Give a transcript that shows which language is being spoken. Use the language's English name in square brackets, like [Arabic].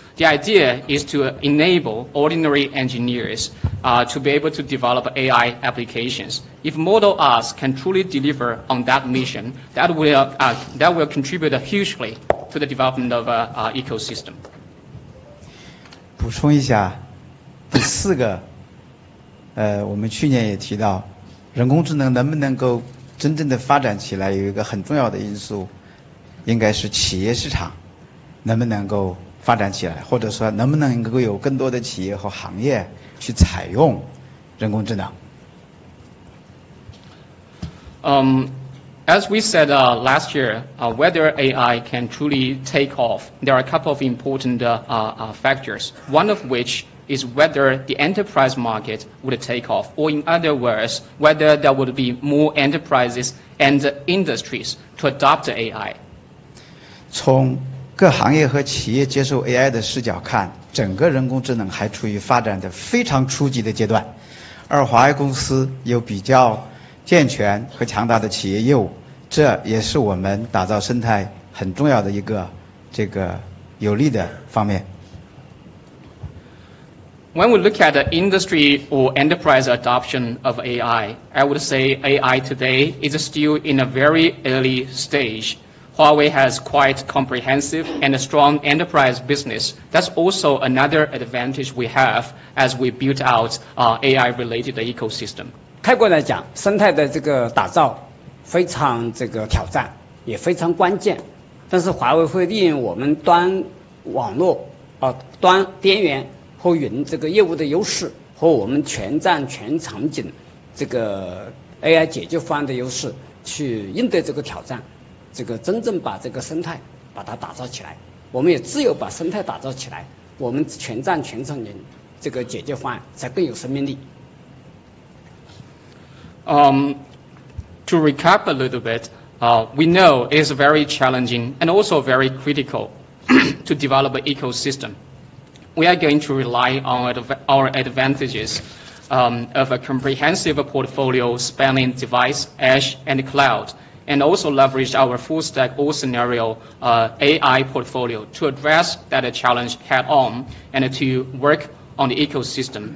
[English] The idea is to enable ordinary engineers to be able to develop AI applications. If Model Arts can truly deliver on that mission, that will contribute hugely to the development of ecosystem. [Chinese] 补充一下，第四个，我们去年也提到，人工智能能不能够真正的发展起来，有一个很重要的因素，应该是企业市场能不能够发展起来，或者说能不能够有更多的企业和行业去采用人工智能。 [English] As we said last year, whether AI can truly take off, there are a couple of important factors, one of which is whether the enterprise market would take off, or in other words, whether there would be more enterprises and industries to adopt AI. [Chinese] 从各行业和企业接受 AI 的视角看，整个人工智能还处于发展的非常初级的阶段，而华为公司有比较健全和强大的企业业务，这也是我们打造生态很重要的一个这个有利的方面。 [English] When we look at the industry or enterprise adoption of AI, I would say AI today is still in a very early stage. Huawei has quite comprehensive and a strong enterprise business. That's also another advantage we have as we build out AI-related ecosystem. [Chinese] 开过来讲，生态的这个打造非常这个挑战，也非常关键。但是华为会利用我们端网络、端边缘和云这个业务的优势，和我们全站全场景这个 AI 解决方案的优势，去应对这个挑战，这个真正把这个生态把它打造起来。我们也只有把生态打造起来，我们全站全场景这个解决方案才更有生命力。 [English] To recap a little bit, we know it's very challenging and also very critical to develop an ecosystem. We are going to rely on our advantages of a comprehensive portfolio spanning device, edge, and cloud, and also leverage our full-stack all-scenario AI portfolio to address that challenge head-on and to work on the ecosystem.